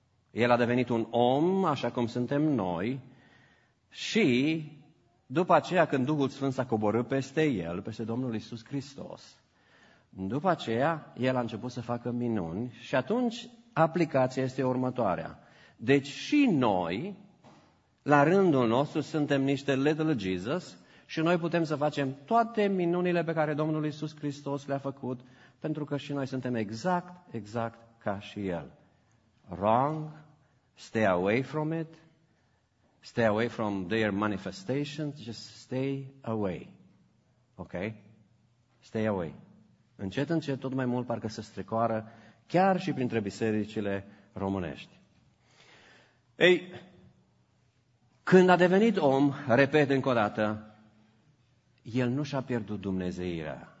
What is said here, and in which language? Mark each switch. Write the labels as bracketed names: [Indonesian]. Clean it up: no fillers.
[Romanian] El a devenit un om, așa cum suntem noi, și după aceea, când Duhul Sfânt s-a coborât peste el, peste Domnul Iisus Hristos, după aceea, el a început să facă minuni și atunci aplicația este următoarea. Deci și noi, la rândul nostru, suntem niște [English] little Jesus, [Romanian] și noi putem să facem toate minunile pe care Domnul Iisus Hristos le-a făcut, pentru că și noi suntem exact, exact ca și El. [English] Wrong, stay away from it, stay away from their manifestations, just stay away. Ok? Stay away. [Romanian] Încet, încet, tot mai mult parcă se strecoară chiar și printre bisericile românești. Ei, când a devenit om, repet încă o dată, El nu și-a pierdut dumnezeirea.